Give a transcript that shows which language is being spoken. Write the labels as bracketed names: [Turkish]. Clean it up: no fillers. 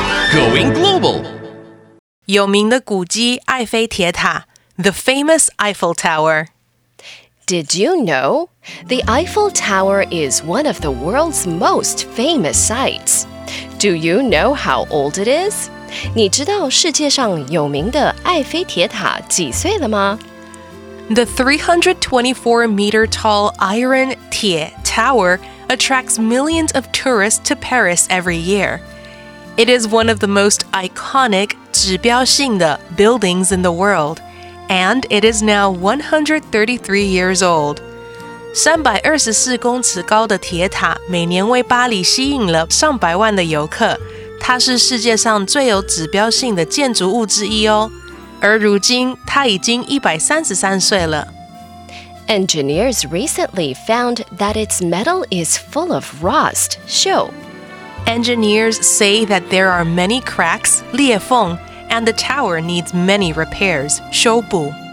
[English] Going global. [Chinese] 有名的古迹埃菲铁塔 [English] The famous Eiffel Tower. Did you know? The Eiffel Tower is one of the world's most famous sites. Do you know how old it is? [Chinese] 你知道世界上有名的埃菲铁塔几岁了吗? [English] The 324-meter-tall iron 铁 tower attracts millions of tourists to Paris every year. It is one of the most iconic 指标性的 buildings in the world, and it is now 133 years old. [Chinese] 324公尺高的铁塔每年为巴黎吸引了上百万的游客，它是世界上最有指标性的建筑物之一哦。而如今，它已经133岁了。 [English] Engineers recently found that its metal is full of rust. Show. Engineers say that there are many cracks, 裂缝, and the tower needs many repairs, 修补。